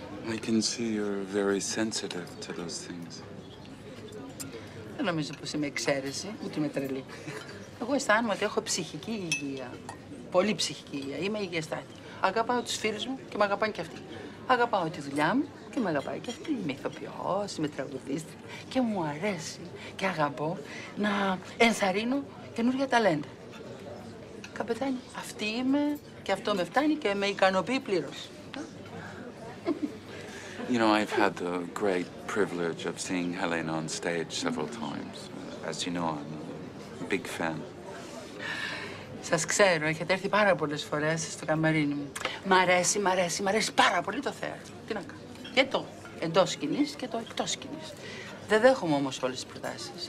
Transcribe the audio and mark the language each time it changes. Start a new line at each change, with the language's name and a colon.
English: I can see you're very sensitive to those things.
Greek: Δεν νομίζω πως είμαι εξαίρεση, ούτε είμαι τρελή. Εγώ αισθάνομαι ότι έχω ψυχική υγεία. Πολύ ψυχική υγεία. Είμαι υγιεστάτη. Αγαπάω τους φίλους μου και με αγαπάνε και αυτοί. Αγαπάω τη δουλειά μου και με αγαπάει και αυτή. Είμαι ηθοποιός, είμαι τραγουδίστρια και μου αρέσει και αγαπώ να ενθαρρύνω καινούργια ταλέντα. Καπετάνη, αυτή είμαι και αυτό με φτάνει και με ικανοποιεί πλήρως.
English: You know, I've had the great privilege of seeing Helena on stage several times. As you know, I'm a big fan.
Greek: Σας ξέρω, έχετε έρθει πάρα πολλές φορές στο καμαρίνι μου. Μ' αρέσει, μ' αρέσει, μ' αρέσει πάρα πολύ το θέατρο. Τι να κάνω. Και το εντός σκηνής και το εκτός σκηνής. Δεν δέχομαι όμως όλες τις προτάσεις.